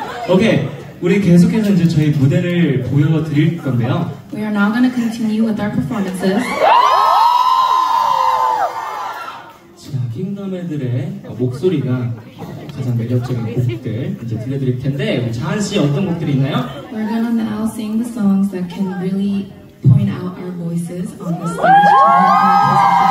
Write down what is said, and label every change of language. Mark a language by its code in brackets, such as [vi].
[ko] Okay, 우리 계속해서 이제 저희 무대를 보여드릴 건데요. [en] We are now going to continue with our performances. [ko] 자, 킹덤애들의 목소리가 가장 매력적인 곡들 이제 들려드릴 텐데, 자한 씨 어떤 곡들이 있나요? [en] We're going to now sing the songs that can really point out our voices on the stage.